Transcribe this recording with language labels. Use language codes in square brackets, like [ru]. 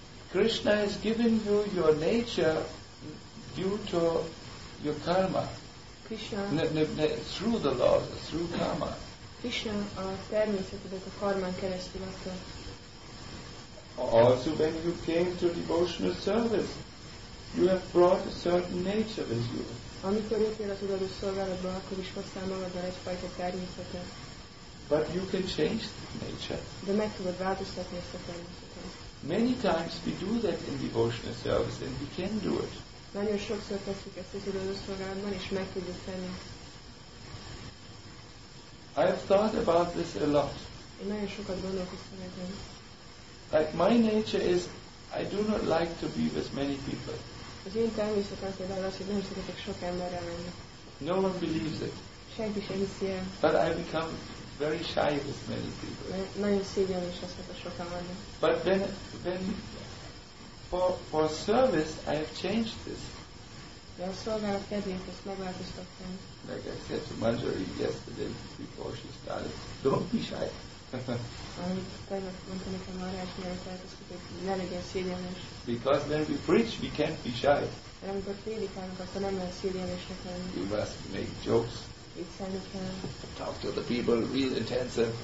[en] Krishna has given you your nature due to your karma. Through the law, through karma. [hu] Krishna a természetedet a karmán keresztül adta. [en] Also when you came to devotional service, you have brought a certain nature with you. [hu] Amikor jöttél az odaadó szolgálatba, akkor is hoztál magadban egyfajta természetet. [en] But you can change the nature. [hu] De meg tudod változtatni ezt a természetet. [en] Many times we do that in devotional service and we can do it. [hu] Nagyon sokszor tesszük ezt az odaadó szolgálatban, és meg tudjuk tenni. [en] I have thought about this a lot. [hu] Nagyon sokat gondolkoztam ezen. [en] Like my nature is, I do not like to be with many people. [hu] Az én természetem az, hogy nem szeretek sok emberrel lenni. [en] No one believes it. [hu] Senki sem hiszi el. [en] But I become very shy with many people. [hu] Nagyon szégyenlős az, hogy sok ember lenni. [en] But then for service, I have changed this. [hu] De a szolgálat kedvéért ezt megváltoztattam. [en] Like I said to Manjari yesterday, before she started, don't be shy. [hu] Amit tegnap mondta nekem a rácsnyel, tehát az, hogy ne legyen szégyenlős. [en] Because when we preach, we can't be shy. [hu] De amikor prédikálunk, akkor nem lehet szégyenlősnek lenni. [en] You must make jokes. [hu] Viccelni kell. [en] Talk to the people, real intensive.